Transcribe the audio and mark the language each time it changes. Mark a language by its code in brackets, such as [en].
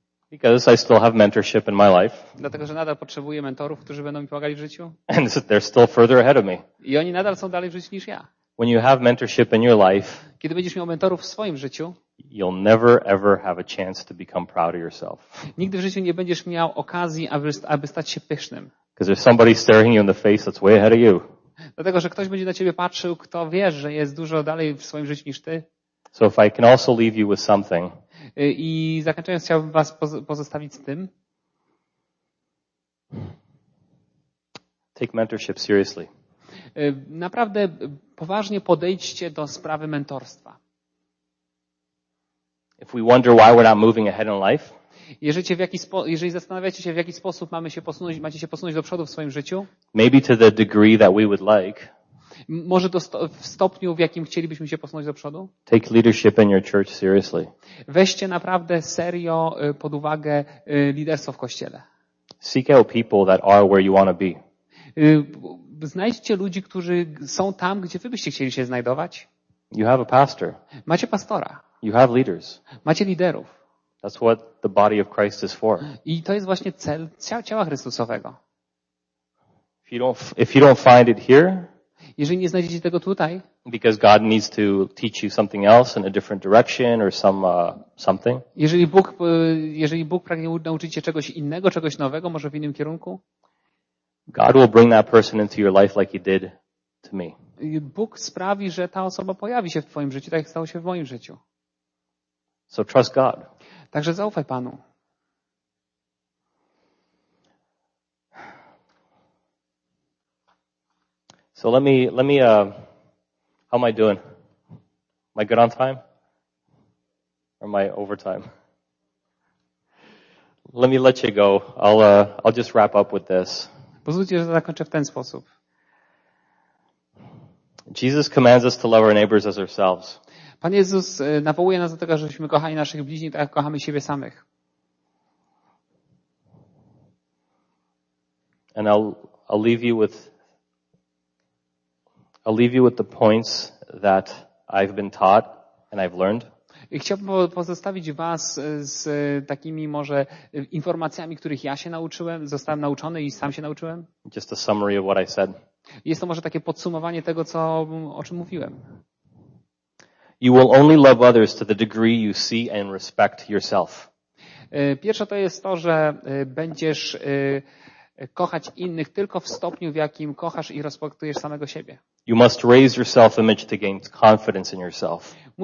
[en] Because I still have mentorship in my life. [pl] Dlatego, że nadal potrzebuję mentorów, którzy będą mi pomagali w życiu. [en] And they're still further ahead of me. [pl] I oni nadal są dalej w życiu niż ja. [en] When you have mentorship in your life, [pl] kiedy będziesz miał mentorów w swoim życiu, [en] you'll never ever have a chance to become proud of yourself. [pl] Nigdy w życiu nie będziesz miał okazji, aby stać się pysznym. [en] Because there's somebody staring you in the face that's way ahead of you. [pl] Dlatego, że ktoś będzie na ciebie patrzył, kto wie, że jest dużo dalej w swoim życiu niż ty. [en] So if I can also leave you with something. [pl] I zakończając, chciałbym was pozostawić z tym. [en] Take mentorship seriously. [pl] Naprawdę poważnie podejdźcie do sprawy mentorstwa. [en] If we wonder why we're not moving ahead in life. [pl] Jeżeli zastanawiacie się, w jaki sposób macie się posunąć do przodu w swoim życiu. [en] Maybe to the degree that we would like. [pl] Może to w stopniu, w jakim chcielibyśmy się posunąć do przodu? [en] Take leadership in your church seriously. [pl] Weźcie naprawdę serio pod uwagę liderstwo w kościele. [en] Seek out people that are where you want to be. [pl] Znajdźcie ludzi, którzy są tam, gdzie wy byście chcieli się znajdować. [en] You have a pastor. [pl] Macie pastora. [en] You have leaders. [pl] Macie liderów. [en] That's what the body of Christ is for. [pl] I to jest właśnie cel ciała Chrystusowego. [en] If you don't find it here, [pl] jeżeli nie znajdziecie tego tutaj, [en] because God needs to teach you something else in a different direction or something. [pl] Jeżeli Bóg pragnie nauczyć cię czegoś innego, czegoś nowego, może w innym kierunku. [en] God will bring that person into your life like he did me. [pl] Bóg sprawi, że ta osoba pojawi się w twoim życiu, tak jak stało się w moim życiu. [en] So trust God. [pl] Także zaufaj Panu. [en] So let me how am I doing? Am I good on time? Or am I over time? Let me let you go. I'll just wrap up with this. [pl] Pozwólcie, że zakończę w ten sposób. [en] Jesus commands us to love our neighbors as ourselves. [pl] Pan Jezus nawołuje nas do tego, żebyśmy kochali naszych bliźni, tak jak kochamy siebie samych. [en] And I'll leave you with the points that I've been taught and I've learned. [pl] I chciałbym pozostawić was z takimi może informacjami, których ja się nauczyłem, zostałem nauczony i sam się nauczyłem. [en] Just a summary of what I said. [pl] Jest to może takie podsumowanie tego, co o czym mówiłem. [en] You will only love others to the degree you see and respect yourself. [pl] Pierwsze to jest to, że będziesz kochać innych tylko w stopniu, w jakim kochasz i respektujesz samego siebie. [en] You must raise your self-image to gain confidence in yourself.